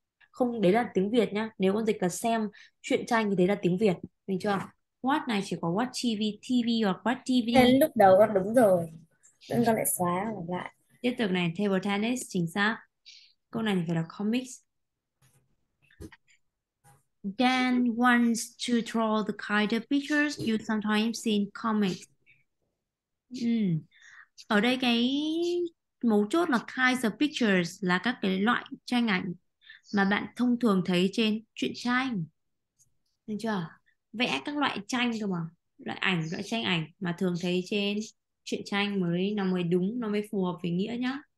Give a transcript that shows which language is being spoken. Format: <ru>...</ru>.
<vi>Không, đấy là tiếng Việt nhá. Nếu con dịch là xem truyện tranh thì đấy là tiếng Việt, được chưa? Watch này chỉ có watch TV hoặc Thế</vi> <en>watch</en> <vi>lúc đầu con đúng rồi, nên con lại xóa lại. Tiếp tục này, table tennis chính xác. Câu này thì phải là comics.</vi> <en>Dan wants to draw the kind of pictures you sometimes see in comics.</en> <vi>Ở đây cái mấu chốt là</vi> <en>kinds of pictures</en> <vi>là các cái loại tranh ảnh mà bạn thông thường thấy trên truyện tranh. Được chưa? Vẽ các loại tranh cơ mà. Loại tranh ảnh mà thường thấy trên truyện tranh mới, nó mới đúng, nó mới phù hợp với nghĩa nhá.</vi>